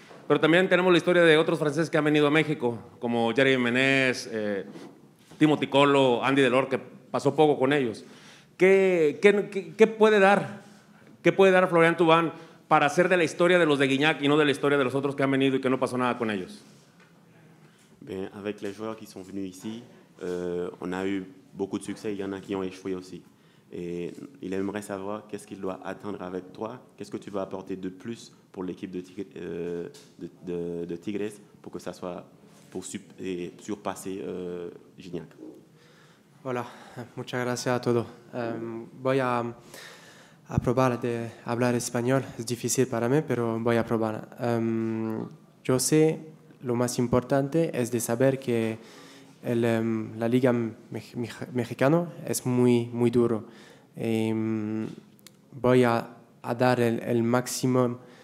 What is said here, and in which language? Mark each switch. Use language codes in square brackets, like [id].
[es] Pero también tenemos la historia de otros franceses que han venido a México, como Jerry Menés, Timothy Colo, Andy Delor, que pasó poco con ellos. ¿Qué puede dar? ¿Qué puede dar Florian Tobán para hacer de la historia de los de Guignac y no de la historia de los otros que han venido y que no pasó nada con ellos? [fr] Bien, avec les joueurs qui sont venus ici, on a eu beaucoup de succès, il y en a qui ont échoué aussi. Et il aimerait savoir qu'est-ce qu'il doit atteindre avec toi, qu'est-ce que tu vas apporter de plus pour l'équipe de Tigres pour que ça soit pour surpasser Guignac. [es] Voilà, muchas gracias a todos. Voy a probar de hablar español, es difícil para mí, pero voy a probar. Yo sé lo más importante es de saber que la liga mexicana es muy, muy duro. Voy a dar el máximo